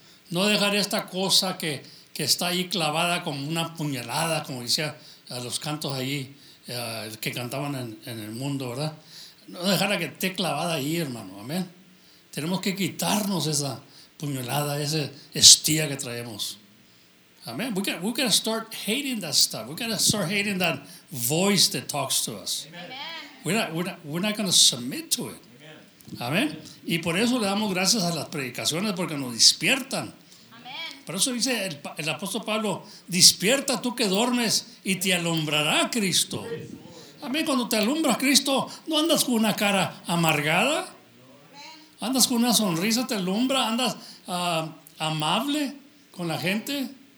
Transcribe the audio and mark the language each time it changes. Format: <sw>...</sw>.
<es>No dejaré esta cosa que está ahí clavada como una puñalada, como decía a los cantos allí. Que cantaban en el mundo, ¿verdad? No dejar a que esté clavada ahí, hermano, amén. Tenemos que quitarnos esa puñalada, esa estía que traemos. Amén.</es> <en>We gotta start hating that stuff. We gotta start hating that voice that talks to us. Amen. We're not gonna submit to it.</en> <es>Amén. Y por eso le damos gracias a las predicaciones, porque nos despiertan. Por eso dice el apóstol Pablo, despierta tú que duermes y te alumbrará Cristo. Amén, cuando te alumbra Cristo, no andas con una cara amargada, andas con una sonrisa, te alumbra, andas amable con la gente.</es>